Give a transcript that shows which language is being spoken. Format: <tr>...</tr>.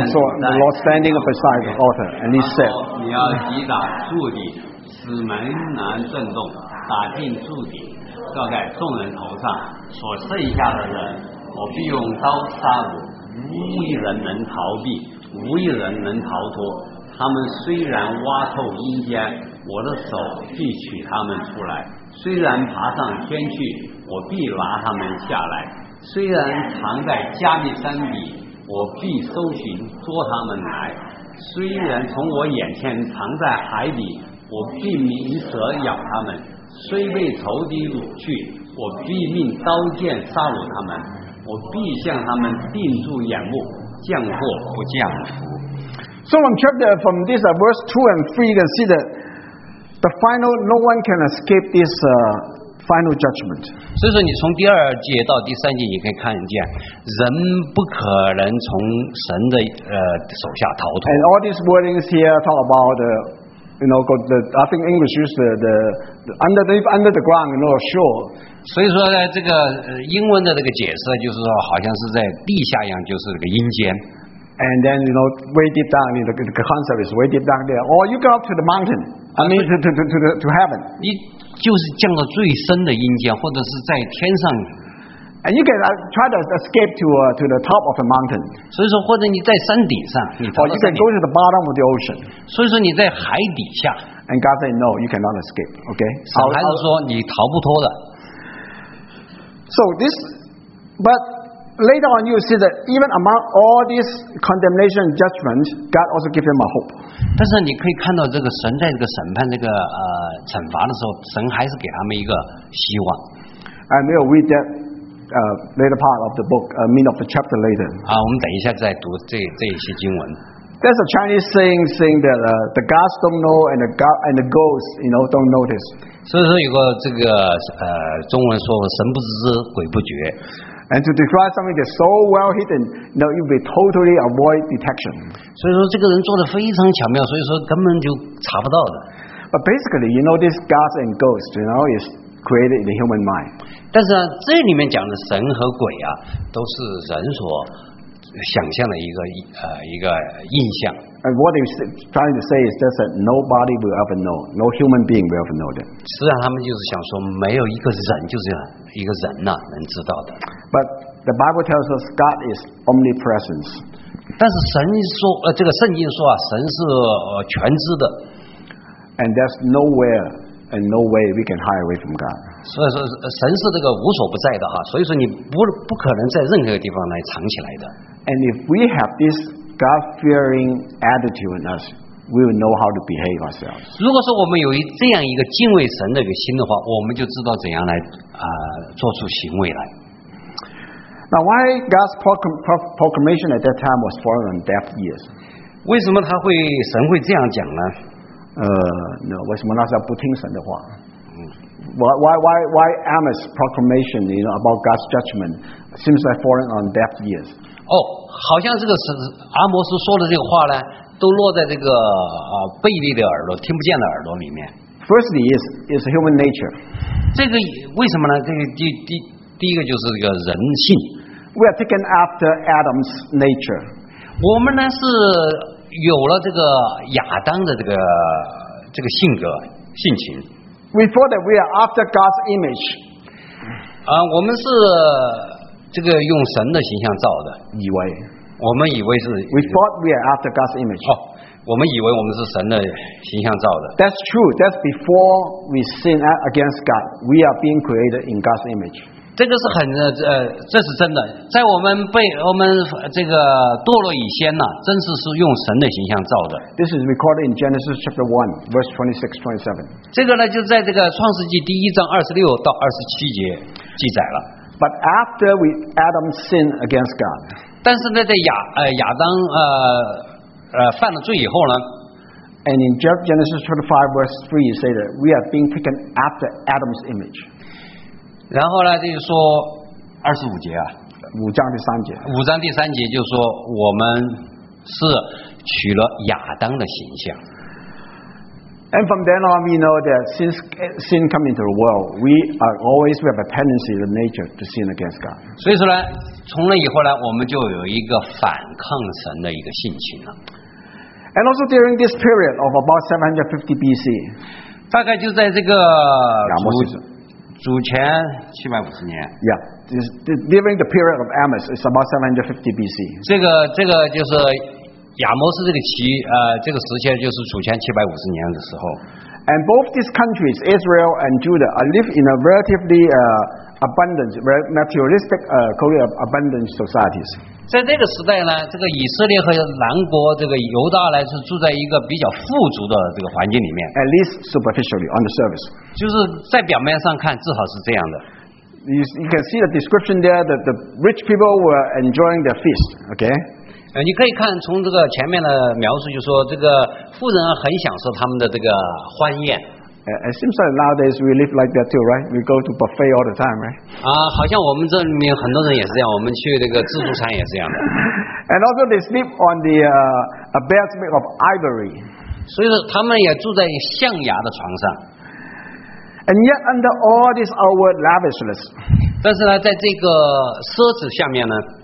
<en>I saw the Lord standing beside the altar, and he said,</en> <zh>你要击打柱顶，使门栏震动，打进柱顶，照在众人头上，所剩下的人，我必用刀杀戮。无一人能逃避，无一人能逃脱。他们虽然挖透阴间，我的手必取他们出来；虽然爬上天去，我必拿他们下来；虽然藏在加密山底，我必搜寻捉他们来；虽然从我眼前藏在海底，我必鸣蛇咬他们；虽被仇敌掳去，我必命刀剑杀戮他们。我必向他们定住眼目，降祸不降福。</zh> <en>So from this verse 2 and 3, you can see that The final, no one can escape this final judgment.</en> <zh>所以说你从第二节到第三节，你可以看见人不可能从神的手下逃脱。</zh> <en>And all these wordings here talk about the, you know, got the, I think English used the under the ground, you know, sure.</en> <zh>所以说呢，这个英文的这个解释就是说，好像是在地下一样，就是这个阴间。</zh> <en>And then, you know, way deep down, you know, the concept is way deep down there. Or you go up to the mountain. I mean, to heaven.</en> <zh>你就是降到最深的阴间，或者是在天上。</zh> <en>And you can try to escape to the top of the mountain.</en> <zh>所以说，或者你在山顶上。</zh> <en>Or you can go to the bottom of the ocean.</en> <zh>所以说你在海底下。</zh> <en>And God said, no, you cannot escape. Okay.</en> <zh>小孩子说你逃不脱的。</zh> <en>So this, but later on you see that even among all this condemnation judgment, God also gives him a hope.</en> <zh>但是你可以看到这个神在这个审判这个惩罚的时候，神还是给他们一个希望。</zh> <en>And we'll read that later part of the book, mean of the chapter later.</en> <zh>啊，我们等一下再读这一些经文。</zh> <en>There's a Chinese saying that the gods don't know and the god and the ghosts, you know, don't notice.</en> <zh>所以说有个这个中文说神不知之鬼不觉。</zh> <en>And to describe something that's so well hidden, you know, you'll be totally avoid detection.</en> <zh>所以说这个人做得非常巧妙，所以说根本就查不到的。</zh> <en>But basically, you know, these gods and ghosts, you know, is created in the human mind.</en> <zh>但是、啊、这里面讲的神和鬼啊，都是人所想象的一个印象。</zh> <en>And what he's trying to say is just that nobody will ever know, no human being will ever know that.</en> <zh>实际上他们就是想说，没有一个人就是这样。一个人呢能知道的。</zh> <en>But the Bible tells us God is omnipresent.</en> <zh>但是神说这个圣经说啊，神是全知的。</zh> <en>And there's nowhere and no way we can hide away from God.</en> <zh>所以说神是这个无所不在的哈，所以说你不可能在任何地方来藏起来的。</zh> <en>And if we have this God-fearing attitude in us, we will know how to behave ourselves.</en> <zh>如果说我们有这样一个敬畏神的一个心的话，我们就知道怎样来做出行为来。</zh> <en>Now, why God's proclamation at that time was falling on deaf ears?</en> <zh>为什么神会这样讲呢？ No, 为什么那时候不听神的话？</zh> <en>Why Amos proclamation, you know, about God's judgment seems like falling on deaf ears?</en> <zh>哦，好像这个是阿摩斯说的这个话呢，都落在这个贝利的耳朵听不见的耳朵里面。</zh> <en>Firstly, is human nature.</en> <zh>这个为什么呢？这个第一个就是这个人性。</zh> <en>We are taken after Adam's nature.</en> <zh>我们呢是有了这个亚当的这个性格性情。</zh> <en>We thought that we are after God's image.</en> <zh>我们是这个用神的形象造的，以为。我们以为是</zh> <en>，we thought we are after God's image.</en> <zh>哦，我们以为我们是神的形象造的。</zh> <en>That's true. That's before we sin against God. We are being created in God's image.</en> <zh>这个是很这是真的。在我们这个堕落以前呢，真实是用神的形象造的。</zh> <en>This is recorded in Genesis chapter 1, verse 26-27.</en> <zh>这个呢，就在这个创世纪第一章26-27节记载了。</zh> <en>But after we Adam sinned against God.</en> <zh>但是呢，在亚当犯了罪以后呢</zh> <en>，And in Genesis 25 verse 3, you say that we are being taken after Adam's image.</en> <zh>然后呢，就是说二十五节啊，五章第三节就是说我们是取了亚当的形象。</zh> <en>And from then on, we know that since sin came into the world, we have a tendency, the nature to sin against God.</en> <zh>所以说呢，从那以后呢，我们就有一个反抗神的一个性情了。</zh> <en>And also during this period of about 750 BC,</en> <zh>大概就在这个亚摩斯主前750年。</zh> <en>Yeah, during the period of Amos, it's about 750 BC.</en> <zh>这个就是。亚摩斯这个时期就是主前750年的时候。</zh> <en>And both these countries, Israel and Judah, are live in a relatively abundant, materialistic, called abundant societies.</en> <zh>在这个时代呢，这个以色列和南国这个犹大呢是住在一个比较富足的这个环境里面。</zh> <en>At least superficially on the surface.</en> <zh>就是在表面上看，至少是这样的。</zh> <en>You can see the description there that the rich people were enjoying their feast. Okay.</en> <zh>你可以看从这个前面的描述，就是说这个富人很享受他们的这个欢宴。</zh> <en>It seems like nowadays we live like that too, right? We go to buffet all the time, right?</en> <zh>好像我们这里面很多人也是这样，我们去那个自助餐也是这样的。</zh> <en>And also they sleep on the a bed made of ivory.</en> <zh>所以说他们也住在象牙的床上。</zh> <en>And yet under all this outward lavishness,</en> <zh>但是呢，在这个奢侈下面呢</zh>